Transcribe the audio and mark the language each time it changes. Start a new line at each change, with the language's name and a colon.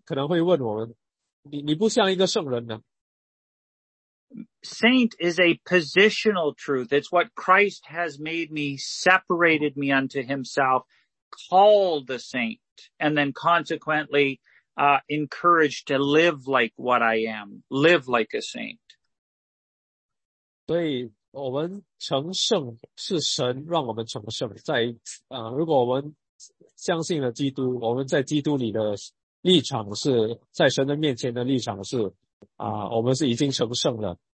Chinese: 对，有时候人看到我们的基督徒的生活，看到我们自己的那个生活，他们可能会问我们，你不像一个圣人呢？
English: Saint is a positional truth. It's what Christ has made me, separated me unto himself, called the saint, and then consequently encouraged to live like what I am, live like a saint.
Chinese: 所以我们相信了基督，我们在基督里的立场是，在神的面前的立场是，我们是已经成圣了。